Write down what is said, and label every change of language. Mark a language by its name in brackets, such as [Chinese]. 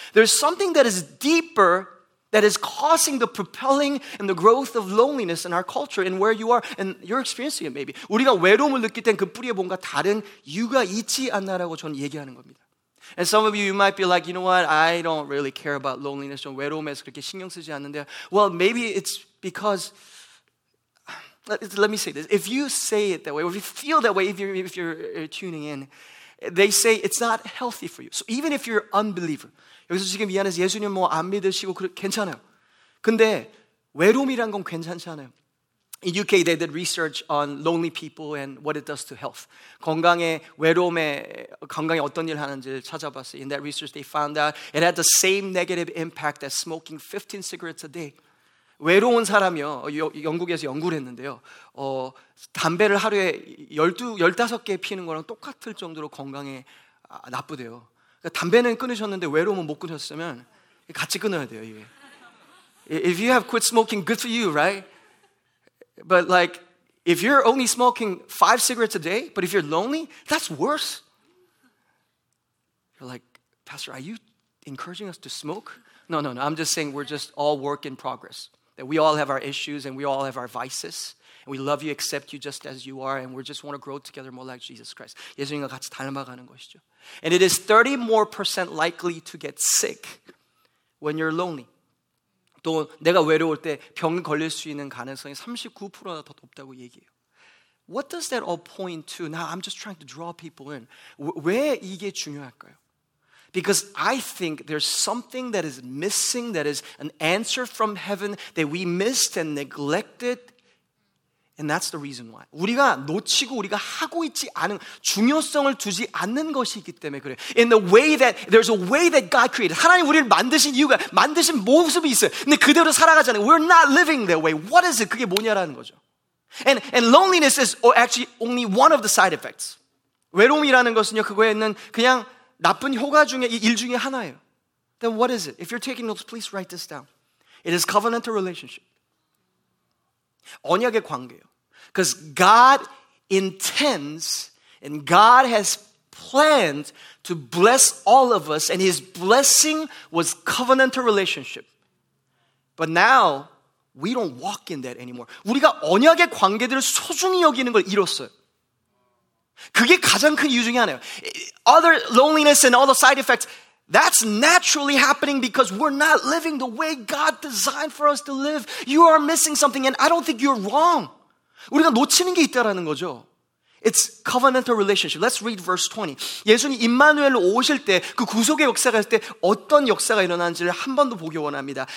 [English] There's something that is deeper that is causing the propelling and the growth of loneliness in our culture and where you are and you're experiencing it maybe. [Korean] 우리가 외로움을 느낄 땐 그 뿌리에 뭔가 다른 이유가 있지 않나라고 저는 얘기하는 겁니다. [English] And some of you, you might be like, you know what? I don't really care about loneliness. [Korean] 좀 외로움에서 그렇게 신경 쓰지 않는데. [English] Well, maybe it's because, let me say this. If you say it that way, or if you feel that way, if you're tuning in, they say it's not healthy for you. So even if you're an unbeliever, [Korean] 여기서 지금 이 안에서 예수님 뭐 안 믿으시고 괜찮아요. 근데 외로움이란 건 괜찮지 않아요. [English] In UK, they did research on lonely people and what it does to health. [Korean] 건강에, 외로움에, 건강에 어떤 일을 하는지 찾아봤어요. [English] In that research, they found out it had the same negative impact as smoking 15 cigarettes a day. [Korean] 외로운 사람이요, 영국에서 연구를 했는데요. 담배를 하루에 15개 피우는 거랑 똑같을 정도로 건강에 나쁘대요. 그러니까 담배는 끊으셨는데 외로움은 못 끊으셨으면 같이 끊어야 돼요, 이게. [English] If you have quit smoking, good for you, right? But like, if you're only smoking 5 cigarettes a day, but if you're lonely, that's worse. You're like, Pastor, are you encouraging us to smoke? No, no, no. I'm just saying we're just all work in progress. That we all have our issues and we all have our vices. And we love you, accept you just as you are, and we just want to grow together more like Jesus Christ. [Korean] 예수님과 같이 닮아가는 것이죠. [English] And it is 30 more percent likely to get sick when you're lonely. [Korean] 또 내가 외로울 때 병 걸릴 수 있는 가능성이 39%나 더 높다고 얘기해요. [English] What does that all point to? Now I'm just trying to draw people in. [Korean] 왜 이게 중요할까요? [English] Because I think there's something that is missing, that is an answer from heaven that we missed and neglected. And that's the reason why. [Korean] 우리가 놓치고 우리가 하고 있지 않은 중요성을 두지 않는 것이기 때문에 그래요. [English] In the way that, there's a way that God created. [Korean] 하나님 우리를 만드신 이유가, 만드신 모습이 있어요. 근데 그대로 살아가잖아요. [English] We're not living that way. What is it? [Korean] 그게 뭐냐라는 거죠. [English] And loneliness is actually only one of the side effects. [Korean] 외로움이라는 것은요, 그거에는 그냥 나쁜 효과 중에, 일 중에 하나예요. [English] Then what is it? If you're taking notes, please write this down. It is covenantal relationship. [Korean] 언약의 관계요. [English] Because God intends and God has planned to bless all of us and his blessing was covenantal relationship. But now, we don't walk in that anymore. [Korean] 우리가 언약의 관계들을 소중히 여기는 걸 잃었어요. 그게 가장 큰 이유 중에 하나예요. [English] Other loneliness and all the side effects, that's naturally happening because we're not living the way God designed for us to live. You are missing something, and I don't think you're wrong. [Korean] 우리가 놓치는 게 있다라는 거죠. [English] It's covenantal relationship. Let's read verse 20. [Korean] 예수님 임마누엘로 오실 때, 그 구속의 역사가 있을 때 어떤 역사가 일어나는지를 한 번 더 보기 원합니다.